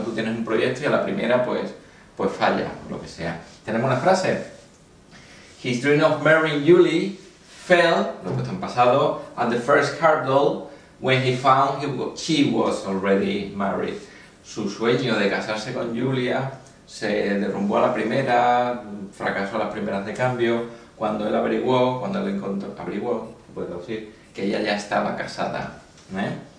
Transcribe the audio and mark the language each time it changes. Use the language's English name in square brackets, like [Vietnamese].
[Spanish] Tú tienes un proyecto y a la primera, pues falla, lo que sea. Tenemos una frase. [English] His dream of marrying Julie fell, [Spanish] lo que está en pasado, [English] at the first hurdle when he found she was already married. [Spanish] Su sueño de casarse con Julia se derrumbó a la primera, fracasó a las primeras de cambio. Cuando él averiguó, cuando él encontró, averiguó, puedo decir, que ella ya estaba casada, ¿eh?